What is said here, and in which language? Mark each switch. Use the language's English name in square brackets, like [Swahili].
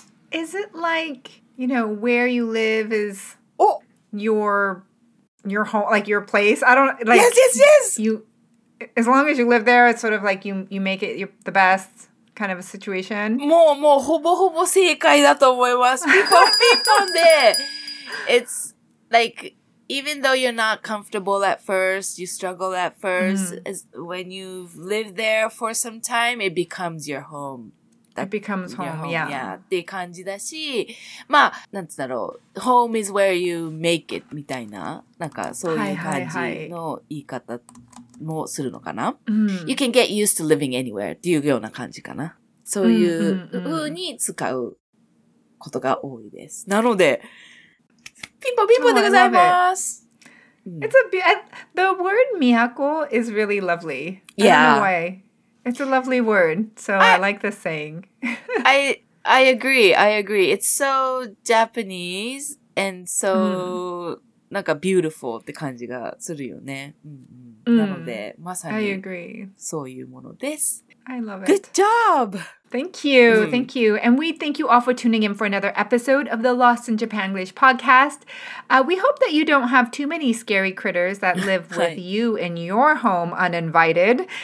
[English] Is it like, you know, where you live is your home, like your place? I don't, like, yes. You, as long as you live there, it's sort of like you make it the best kind of a situation. [Japanese] もうほぼほぼ正解だと思います。ピコピコンで。 [English] It's like,Even though you're not comfortable at first, you struggle at first, when you've lived there for some time, it becomes your home. That becomes home, yeah. [Japanese] Yeah, って感じだし、まあ、なんつだろう、 [English] home is where you make it, [Japanese] みたいな、なんかそういう感じの言い方もするのかな。 [English] You can get used to living anywhere, [Japanese] っていうような感じかな。そういう風に使うことが多いです。なので、ピンポピンポでございます。 [English] The word miyako is really lovely. Yeah. I don't know why. It's a lovely word. So I like this saying. I agree. It's so Japanese and so [Japanese] なんか [English] beautiful [Japanese] って感じがするよね。なのでまさにそういうものです。 [English] I love it. Good job! Thank you. Thank you. And we thank you all for tuning in for another episode of the Lost in Japan English podcast. We hope that you don't have too many scary critters that live with you in your home uninvited.